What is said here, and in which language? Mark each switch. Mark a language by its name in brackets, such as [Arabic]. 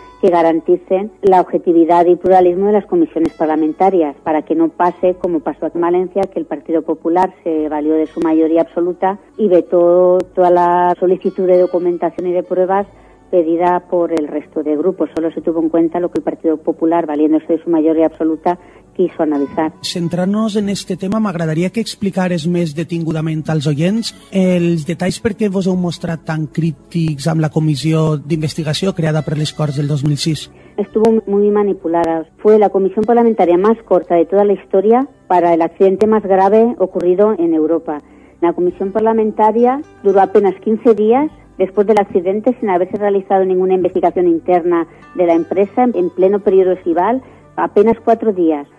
[Spanish] que garanticen la objetividad y pluralismo de las comisiones parlamentarias, para que no pase como pasó en Valencia, que el Partido Popular se valió de su mayoría absoluta y vetó toda la solicitud de documentación y de pruebas pedida por el resto de grupos. Solo se tuvo en cuenta lo que el Partido Popular, valiéndose de su mayoría absoluta, quiso analizar. Centrarnos en este tema, [Catalan] m'agradaria que explicares més detingudament als oients els detalls per què vos heu mostrat tan crítics amb la comissió d'investigació creada per les Corts del 2006. [Spanish] Estuvo muy manipulada. Fue la comisión parlamentaria más corta de toda la historia para el accidente más grave ocurrido en Europa. La comisión parlamentaria duró apenas 15 días después del accidente, sin haberse realizado ninguna investigación interna de la empresa, en pleno periodo estival, apenas 4 días.